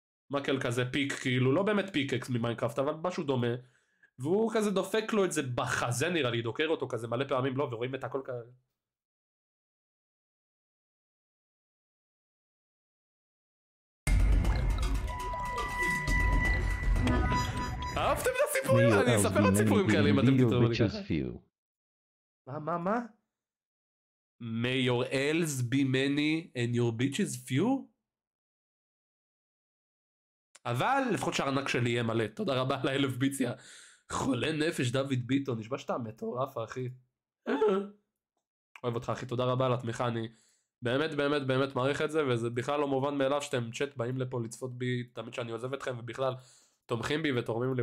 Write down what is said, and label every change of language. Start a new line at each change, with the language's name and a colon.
Hebrew: מקל כזה פיק, כאילו לא באמת פיקקס ממיינקראפט, אבל משהו דומה, והוא כזה דופק לו את זה בחזה, נראה לי, דוקר אותו כזה מלא פעמים, לא, ורואים את הכל כזה. אהבתם את הסיפורים? אני אספר את הסיפורים כאלה אם אתם תתראו לי ככה. מה?
English: May your L's be many and your bitches few?
Hebrew: אבל לפחות שהארנק שלי יהיה מלא. תודה רבה על האלף ביציה. חולה נפש דוד ביטון, נשבע שאתה מטורף אחי. אוהב אותך אחי, תודה רבה על התמיכה. אני באמת באמת באמת מעריך את זה, וזה בכלל לא מובן מאליו שאתם צ'אט באים לפה לצפות בי תמיד שאני עוזב אתכם, ובכלל תומכים בי ותורמים לי.